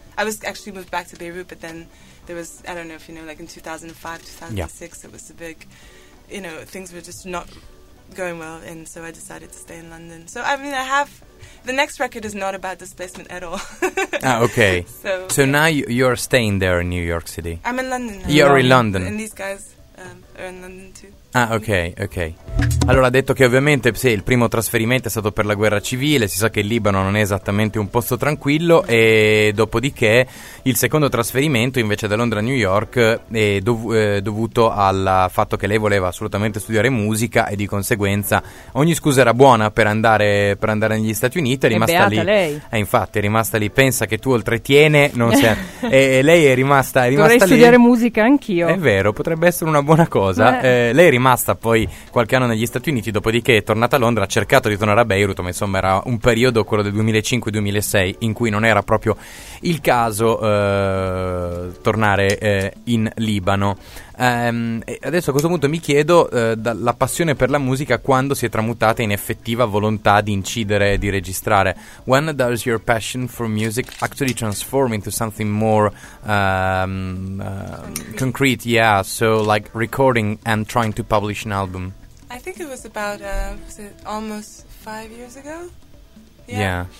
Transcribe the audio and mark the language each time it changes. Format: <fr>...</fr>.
<en>I was actually moved back to Beirut, but then there was, I don't know if you know, like in 2005, 2006, yeah. It was a big, you know, things were just not going well. And so I decided to stay in London. So, I mean, I have... The next record is not about displacement at all. Okay. So now you're staying there in New York City. I'm in London. You're in London. And these guys are in London too. Ok.</en> <it>Allora, ha detto che ovviamente sì, il primo trasferimento è stato per la guerra civile. Si sa che il Libano non è esattamente un posto tranquillo. E dopodiché il secondo trasferimento invece da Londra a New York è dovuto al fatto che lei voleva assolutamente studiare musica, e di conseguenza ogni scusa era buona per andare negli Stati Uniti. È rimasta lì. Pensa che tu oltretiene non sei, e lei è rimasta dovrei lì. Studiare musica anch'io. È vero, potrebbe essere una buona cosa. Lei è rimasta poi qualche anno negli Stati Uniti, dopodiché è tornata a Londra, ha cercato di tornare a Beirut, ma insomma era un periodo, quello del 2005-2006, in cui non era proprio il caso tornare in Libano. Adesso a questo punto mi chiedo, la passione per la musica quando si è tramutata in effettiva volontà di incidere e di registrare?</it> <en>When does your passion for music actually transform into something more concrete? Yeah, so like recording and trying to publish an album. I think it was about almost 5 years ago. Yeah.</en>